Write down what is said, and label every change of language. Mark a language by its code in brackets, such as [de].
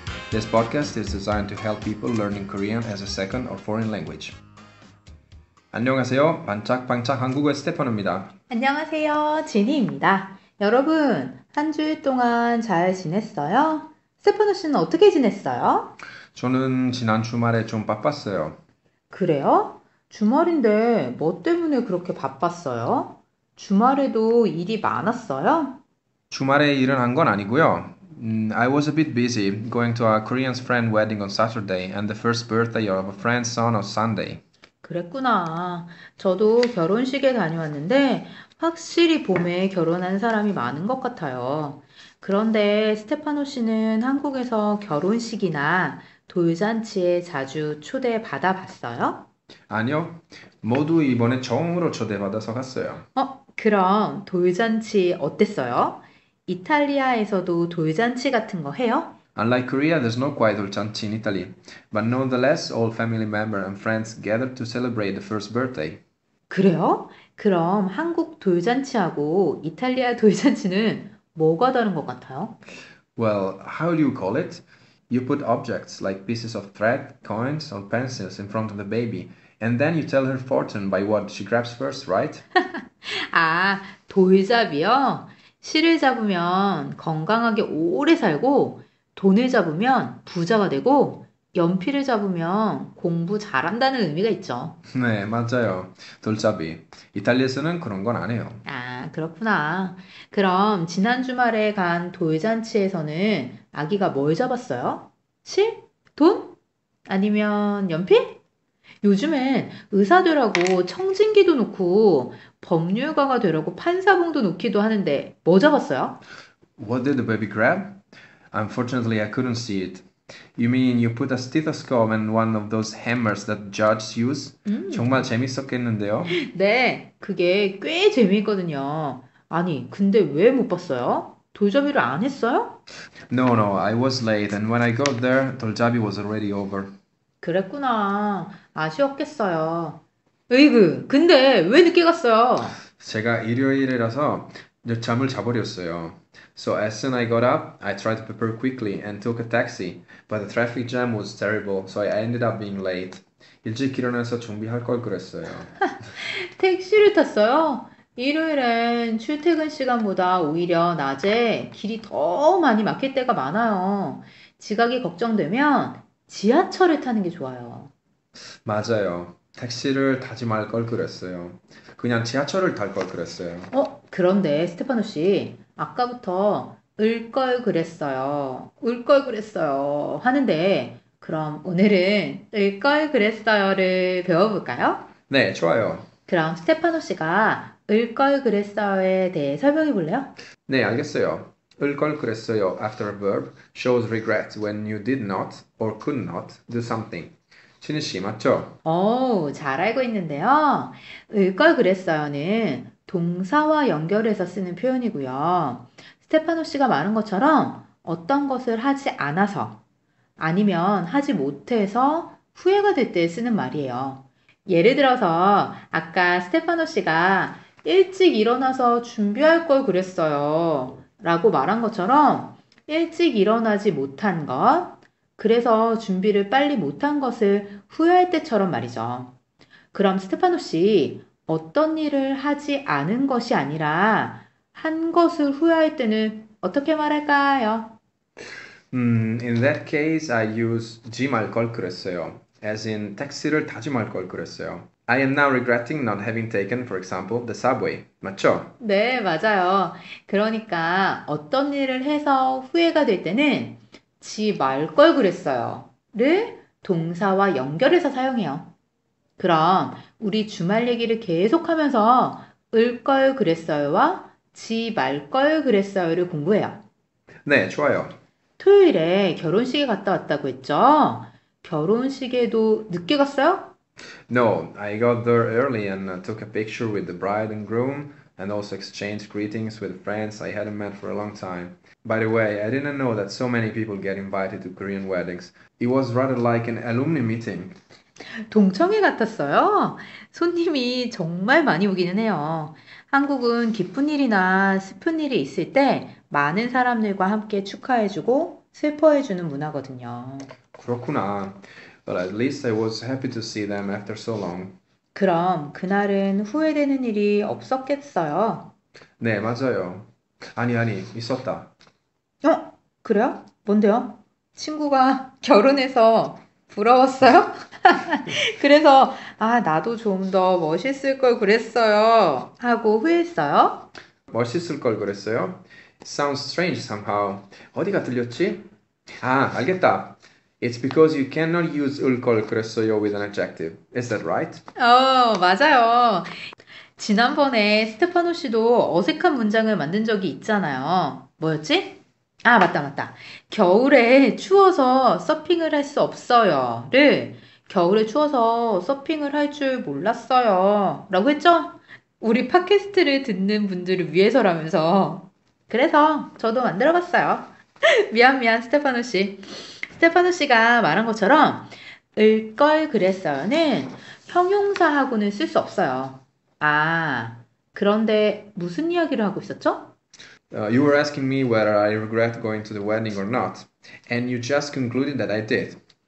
[en] This podcast is designed to help people learning Korean as a second or foreign language. [ko] 안녕하세요. 반짝반짝 한국어의 스테파노입니다. 안녕하세요. 지니입니다. 여러분, 한 주일 동안 잘 지냈어요? 스테파노 씨는 어떻게 지냈어요? 저는 지난 주말에 좀 바빴어요. 그래요? 주말인데 뭐 때문에 그렇게 바빴어요? 주말에도 일이 많았어요? 주말에 일은 한 건 아니고요. [en] I was a bit busy going to a Korean friend wedding on Saturday and the first birthday of a friend's son on Sunday. [ko] 그랬구나. 저도 결혼식에 다녀왔는데 확실히 봄에 결혼한 사람이 많은 것 같아요. 그런데 스테파노 씨는 한국에서 결혼식이나 돌잔치에 자주 초대받아 봤어요? 아니요. 모두 이번에 처음으로 초대받아서 갔어요. 그럼 돌잔치 어땠어요? 이탈리아에서도 돌잔치 같은 거 해요? [en] Unlike Korea, there's not quite dolciante in Italy. But nonetheless, all family members and friends gather to celebrate the first birthday. [ko] 그래요? 그럼 한국 돌잔치하고 이탈리아 돌잔치는 뭐가 다른 것 같아요? [en] Well, how do you call it? You put objects like pieces of thread, coins, or pencils in front of the baby, and then you tell her fortune by what she grabs first, right? [ko] 아, 돌잡이요? 실을 잡으면 건강하게 오래 살고, 돈을 잡으면 부자가 되고, 연필을 잡으면 공부 잘한다는 의미가 있죠. 네, 맞아요. 돌잡이. 이탈리아에서는 그런 건 안 해요. 아, 그렇구나. 그럼 지난 주말에 간 돌잔치에서는 아기가 뭘 잡았어요? 실? 돈? 아니면 연필? 요즘엔 의사 되라고 청진기도 놓고 법률가가 되라고 판사봉도 놓기도 하는데 뭐 잡았어요? [en] What did the baby grab? Unfortunately, I couldn't see it. You mean you put a stethoscope and one of those hammers that judges use? [ko] 정말 재밌었겠는데요? 네, 그게 꽤 재미있거든요. 아니, 근데 왜 못 봤어요? 돌잡이를 안 했어요? [en] No, no, I was late and when I got there, 돌잡이 was already over. [ko] 그랬구나. 아쉬웠겠어요. 으이그, 근데 왜 늦게 갔어요? 제가 일요일이라서 늦잠을 자버렸어요. [en] So as soon as I got up, I tried to prepare quickly and took a taxi. But the traffic jam was terrible, so I ended up being late. [ko] 일찍 일어나서 준비할 걸 그랬어요. 택시를 탔어요? 일요일엔 출퇴근 시간보다 오히려 낮에 길이 더 많이 막힐 때가 많아요. 지각이 걱정되면 지하철을 타는 게 좋아요. 맞아요. 택시를 타지 말 걸 그랬어요. 그냥 지하철을 탈 걸 그랬어요. 그런데 스테파노 씨, 아까부터 을 걸 그랬어요. 울 걸 그랬어요. 하는데 그럼 오늘은 을 걸 그랬어요를 배워볼까요? 네, 좋아요. 그럼 스테파노 씨가 을 걸 그랬어요에 대해 설명해 볼래요? 네, 알겠어요. [en] 을 걸 그랬어요 after a verb shows regret when you did not or could not do something. [ko] 진희 씨, 맞죠? 잘 알고 있는데요. 을 걸 그랬어요는 동사와 연결해서 쓰는 표현이고요. 스테파노 씨가 말한 것처럼 어떤 것을 하지 않아서 아니면 하지 못해서 후회가 될 때 쓰는 말이에요. 예를 들어서 아까 스테파노 씨가 일찍 일어나서 준비할 걸 그랬어요 라고 말한 것처럼 일찍 일어나지 못한 것, 그래서 준비를 빨리 못한 것을 후회할 때처럼 말이죠. 그럼 스테파노 씨, 어떤 일을 하지 않은 것이 아니라 한 것을 후회할 때는 어떻게 말할까요? [en] In that case, I use 지 말 걸 그랬어요. As in, [ko] 택시를 타지 말 걸 그랬어요. [en] I am now regretting not having taken, for example, the subway. [ko] 맞죠? 네, 맞아요. 그러니까 어떤 일을 해서 후회가 될 때는 지 말 걸 그랬어요를 동사와 연결해서 사용해요. 그럼 우리 주말 얘기를 계속하면서 을 걸 그랬어요와 지 말 걸 그랬어요를 공부해요. 네, 좋아요. 토요일에 결혼식에 갔다 왔다고 했죠? 결혼식에도 늦게 갔어요? [en] No, I got there early and took a picture with the bride and groom and also exchanged greetings with friends I hadn't met for a long time. By the way, I didn't know that so many people get invited to Korean weddings. It was rather like an alumni meeting. [ko] 동청회 같았어요. 손님이 정말 많이 오기는 해요. 한국은 기쁜 일이나 슬픈 일이 있을 때 많은 사람들과 함께 축하해주고 슬퍼해주는 문화거든요. 그렇구나. [en] But at least I was happy to see them after so long. [ko] 그럼 그날은 후회되는 일이 없었겠어요? 네, 맞아요. 아니, 있었다. 그래요? 뭔데요? 친구가 결혼해서 부러웠어요? 그래서, 아, 나도 좀더 멋있을 걸 그랬어요. 하고 후회했어요? 멋있을 걸 그랬어요? [en] Sounds strange somehow. [ko] 어디가 들렸지? 아, 알겠다. [en] It's because you cannot use 을걸 그랬어요 with an adjective. Is that right? [ko] 맞아요. 지난번에 스테파노 씨도 어색한 문장을 만든 적이 있잖아요. 뭐였지? 아, 맞다, 맞다. 겨울에 추워서 서핑을 할수 없어요를 겨울에 추워서 서핑을 할줄 몰랐어요라고 했죠? 우리 팟캐스트를 듣는 분들을 위해서라면서. 그래서 저도 만들어 봤어요. 미안, 미안, 스테파노 씨. 스테파노 씨가 말한 것처럼 을걸 그랬어요는 형용사하고는 쓸수 없어요. 아, 그런데 무슨 이야기를 하고 있었죠? [en] You were asking me whether I regret going to the wedding or not, and you just concluded that I did.